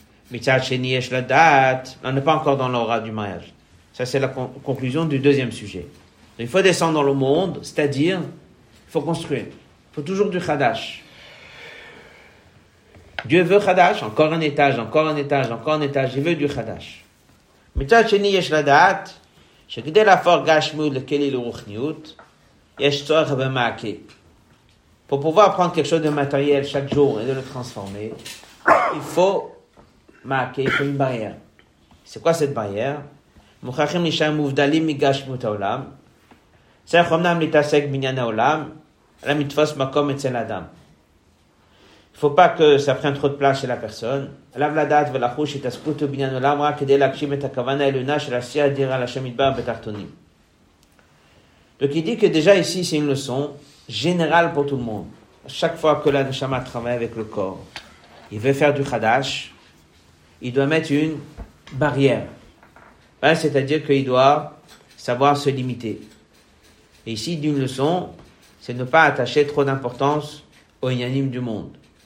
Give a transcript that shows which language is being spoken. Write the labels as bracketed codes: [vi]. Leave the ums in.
[he] Mitzad sheni yesh la date. [fr] On n'est pas encore dans l'aura du mariage. Ça, c'est la con- conclusion du deuxième sujet. Donc, il faut descendre dans le monde, c'est-à-dire, il faut construire. Il faut toujours du Khadash. Dieu veut Khadash, encore un étage, encore un étage, encore un étage, il veut du Khadash. [he] מצד שני יש לדעת שכדי להפוך גשמיות לכלי לרוחניות, יש צורך במעקה. [fr] Pour pouvoir prendre quelque chose de matériel chaque jour et de le transformer, il faut marquer, il faut une barrière. C'est quoi cette barrière [he] מוכרחים להישאר מובדלים מגשמות העולם. צריך אמנם להתעסק בעניין העולם, אלא לתפוס מקום אצל האדם. [fr] faut pas que ça prenne trop de place chez la personne. [he] עליו לדעת ולחוש התעסקותו בעניין עולם רק כדי להגשים את הכוונה העליונה של עשייה אדירה על השם ידבר בתחתונים. [fr] Donc il dit que déjà ici, c'est une leçon générale pour tout le monde. À chaque fois que la neshama travaille avec le corps, il veut faire du khadash, il doit mettre une barrière. Ben, C'est-à-dire qu'il doit savoir se limiter. Et ici, d'une leçon, c'est ne pas attacher trop d'importance au inanime du monde.